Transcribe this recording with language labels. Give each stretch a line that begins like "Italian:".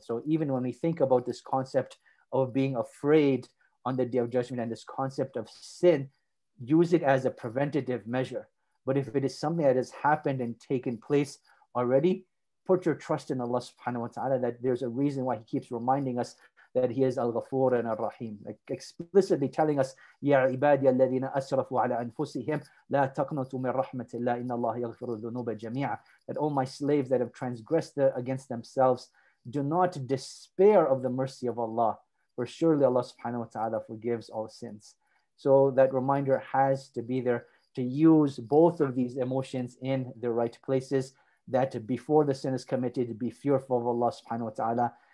English: So even when we think about this concept of being afraid on the Day of Judgment and this concept of sin, use it as a preventative measure. But if it is something that has happened and taken place already, put your trust in Allah subhanahu wa ta'ala that there's a reason why he keeps reminding us that he is al-Ghafoor and al-Rahim.
Arabic: Like explicitly telling us, يَا عِبَادِيَ الَّذِينَ أَسْرَفُوا عَلَىٰ أَنفُسِهِمْ لَا تَقْنَطُوا مِنْ رَحْمَةِ اللَّهِ إِنَّ اللَّهَ يَغْفِرُ الذُّنُوبَ جَمِيعًا.
English: That all my slaves that have transgressed against themselves, do not despair of the mercy of Allah, for surely Allah subhanahu wa ta'ala forgives all sins. So that reminder has to be there to use both of these emotions in the right places, that before the sin is committed, be fearful of Allah subhanahu wa ta'ala.